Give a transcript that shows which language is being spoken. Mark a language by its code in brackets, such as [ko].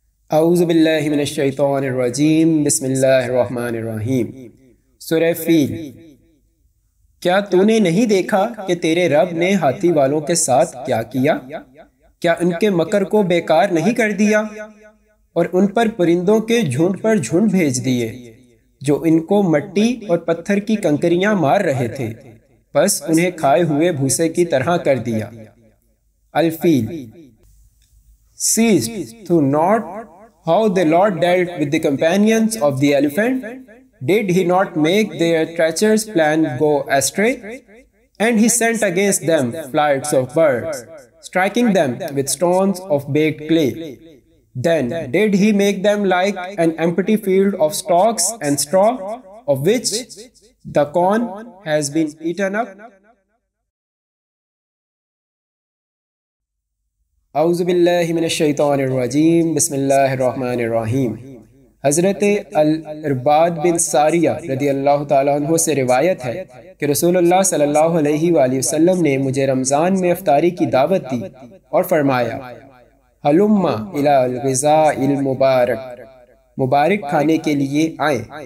[ar] أعوذ بالله من الشيطان الرجيم بسم الله الرحمن الرحيم [ur] سورة فیل کیا تو نے نہیں دیکھا کہ تیرے رب نے ہاتھی والوں کے ساتھ کیا کیا کیا ان کے مکر کو بیکار نہیں کر دیا اور ان پر پرندوں کے جھنڈ پر جھنڈ بھیج دیے جو ان کو مٹی اور پتھر کی کنکریاں مار رہے تھے بس انہیں کھائے ہوئے بھوسے کی طرح کر دیا [en] الفیل Seized to note how the Lord dealt with the companions of the elephant, did he not make their treacherous plan go astray? And he sent against them flights of birds, striking them with stones of baked clay. Then did he make them like an empty field of stalks and straw, of which the corn has been eaten up? [ar] اعوذ باللہ من الشیطان الرجیم بسم اللہ الرحمن الرحیم [ur] حضرت العرباد بن ساریہ رضی اللہ تعالیٰ عنہ سے روایت ہے کہ رسول اللہ صلی اللہ علیہ وآلہ وسلم نے مجھے رمضان میں افطاری کی دعوت دی اور فرمایا [ar] ہلما الی الغذاء المبارک [ur] مبارک کھانے کے لیے آئیں